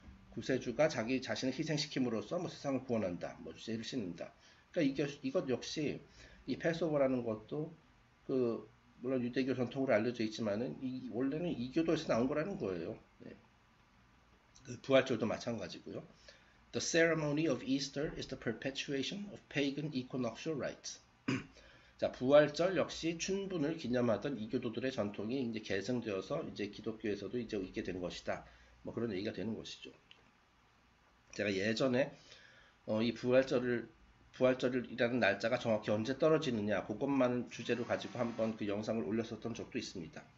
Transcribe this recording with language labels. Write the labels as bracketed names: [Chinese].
[Korean] 구세주가 자기 자신을 희생시킴으로써 뭐 세상을 구원한다, 뭐 죄를 씻는다. 그러니까 이것 역시 이 패스오버라는 것도 그 물론 유대교 전통으로 알려져 있지만은 이 원래는 이교도에서 나온 거라는 거예요. 네. 그 부활절도 마찬가지고요. [English] The ceremony of Easter is the perpetuation of pagan equinoctial rites. [Korean] 자, 부활절 역시 춘분을 기념하던 이교도들의 전통이 이제 계승되어서 이제 기독교에서도 이제 있게 된 것이다. 뭐 그런 얘기가 되는 것이죠. 제가 예전에 이 부활절이라는 날짜가 정확히 언제 떨어지느냐, 그것만 주제로 가지고 한번 그 영상을 올렸었던 적도 있습니다.